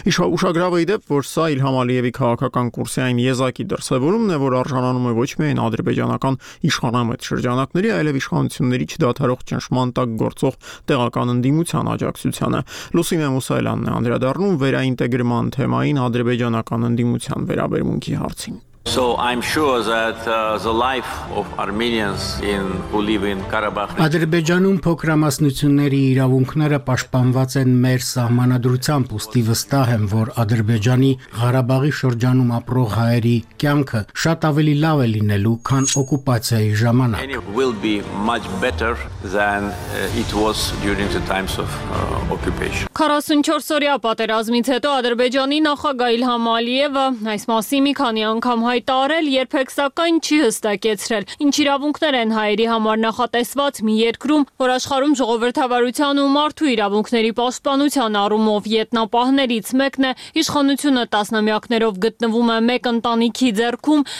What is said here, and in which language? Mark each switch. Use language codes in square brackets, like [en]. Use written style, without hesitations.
[hy] Ուշագրավը ի դեպ, որ սա Իլհամ Ալիևի քաղաքական կուրսային եզակի դրսևորումն է, որ արժանանում է ոչ միայն ադրբեջանական իշխանամետ շրջանակների, այլև իշխանությունների չդադարող ճնշման տակ գործող տեղական ընդդիմության աջակցությանը։ Լուսինե Մուսայելյանն է անդրադառնում վերաինտեգրման թեմային ադրբեջանական ընդդիմության վերաբերմունքի հարցին։ [en] So I'm sure that the life of Armenians in who live in Karabakh. [hy] Ադրբեջանում փոքրամասնությունների իրավունքները պաշտպանված են մեր սահմանադրությամբ, ուստի վստահ եմ, որ Ադրբեջանի Ղարաբաղի շրջանում ապրող հայերի կյանքը շատ ավելի լավ է լինելու, քան օկուպացիայի ժամանակ. [en] And it will be much better than it was during the times of occupation. [hy] 44-օրյա պատերազմից հետո Ադրբեջանի նախագահ Իլհամ Ալիևը այս մասի մի քանի անգամ հայտարել, երբեք սակայն չի հստակեցրել, ինչ իրավունքներ են հայերի համար նախատեսված մի երկրում, որ աշխարհում ժողովրդավարության ու մարդու իրավունքների պաշտպանության առումով ետնապահներից մեկն է, իշխանությունը տասնամյակներով գտնվում է մեկ ընտանիքի ձեռքում,